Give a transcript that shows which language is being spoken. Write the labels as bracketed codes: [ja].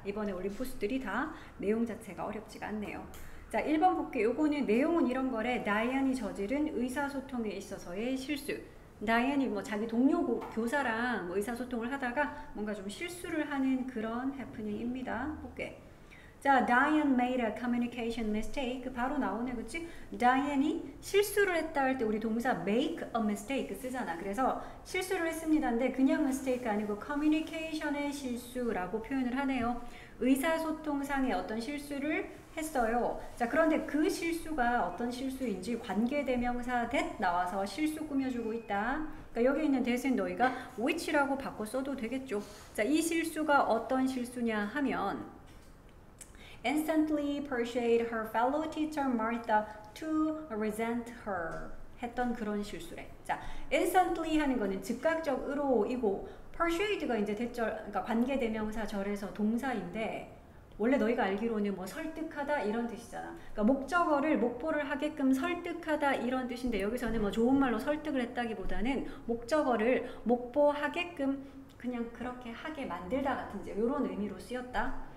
[ko] 이번에 올림포스들이 다 내용 자체가 어렵지가 않네요. 자, 1번 볼게요. 요거는 내용은 이런 거래. 라이언이 저지른 의사소통에 있어서의 실수. 라이언이 뭐 자기 동료 교사랑 뭐 의사소통을 하다가 뭔가 좀 실수를 하는 그런 해프닝입니다. 볼게. 자, [en] Diane made a communication mistake. [ko] 바로 나오네, 그치? Diane이 실수를 했다 할때 우리 동사 [en] make a mistake [ko] 쓰잖아. 그래서 실수를 했습니다인데 그냥 mistake 아니고 communication의 실수라고 표현을 하네요. 의사소통상의 어떤 실수를 했어요. 자, 그런데 그 실수가 어떤 실수인지 관계대명사 that 나와서 실수 꾸며주고 있다. 그러니까 여기 있는 대신 너희가 which라고 바꿔 써도 되겠죠. 자, 이 실수가 어떤 실수냐 하면 [en] Instantly persuade her fellow teacher Martha to resent her. [ko] 했던 그런 실수래. 자, instantly 하는 거는 즉각적으로이고, persuade가 이제 대절, 그러니까 관계대명사 절에서 동사인데, 원래 너희가 알기로는 뭐 설득하다 이런 뜻이잖아. 그러니까 목적어를 목포를 하게끔 설득하다 이런 뜻인데, 여기서는 뭐 좋은 말로 설득을 했다기보다는 목적어를 목포하게끔 그냥 그렇게 하게 만들다 같은 이런 의미로 쓰였다.